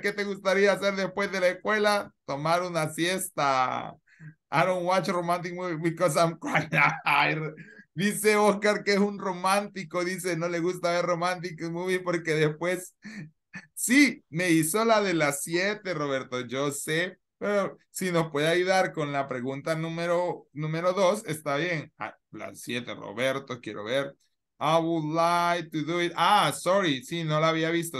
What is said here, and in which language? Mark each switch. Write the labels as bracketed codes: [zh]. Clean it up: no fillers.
[es] ¿Qué te gustaría hacer después de la escuela? Tomar una siesta. [en] I don't watch romantic movies because I'm crying. [es] Dice Oscar que es un romántico. Dice, no le gusta ver [en] romantic movies [es] porque después... Sí, me hizo la de las 7, Roberto. Yo sé. Pero si nos puede ayudar con la pregunta número 2, está bien. Ah, las 7, Roberto, quiero ver. [en] I would like to do it. Ah, sorry. [es] Sí, no la había visto.